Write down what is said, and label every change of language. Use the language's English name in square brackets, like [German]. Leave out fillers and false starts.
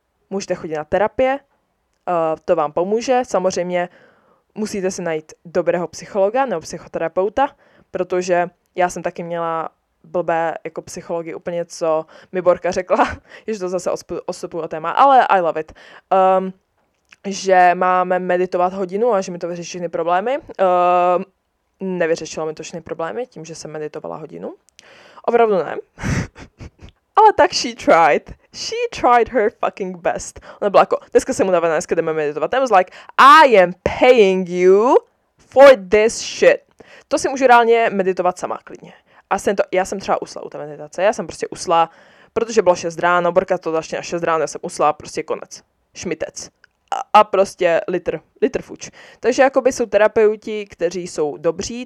[Czech] Můžete chodit na terapie, to vám pomůže. Samozřejmě musíte si najít dobrého psychologa nebo psychoterapeuta, protože já jsem taky měla blbé jako psychologi úplně, co mi Borka řekla, že to zase odstupuju od téma, ale [English] I love it. [Czech] Že máme meditovat hodinu a že mi to vyřeší všechny problémy. Nevyřešilo mi to všechny problémy tím, že jsem meditovala hodinu. Opravdu ne. Ale tak [English] she tried. She tried her fucking best. [Czech] Ona byla jako, dneska jsem unavená, dneska jdeme meditovat. [English] I was like, I am paying you for this shit. [Czech] To si můžu reálně meditovat sama klidně. Já jsem třeba usla u té meditace. Já jsem prostě usla, protože bylo 6 ráno, Borka to začne na 6 ráno, já jsem usla, prostě konec. Šmitec. A prostě litr fuč. Takže jakoby jsou terapeuti, kteří jsou dobří.